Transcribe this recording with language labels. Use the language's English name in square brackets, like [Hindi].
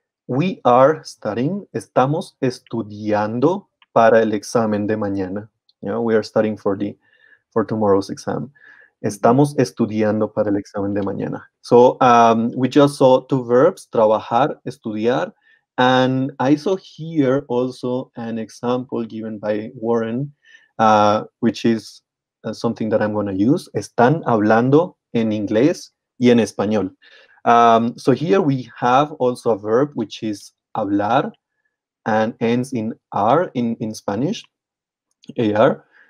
[English] We are studying, [Spanish] estamos estudiando para el examen de mañana. [English] You know, we are studying for tomorrow's exam. [Spanish] Estamos estudiando para el examen de mañana. [English] So we just saw two verbs, [Spanish] trabajar, estudiar, [English] And I saw here also an example given by Warren, which is something that I'm going to use. [Spanish] Están hablando en inglés y en español. [English] So here we have also a verb, which is hablar, and ends in R in Spanish, AR.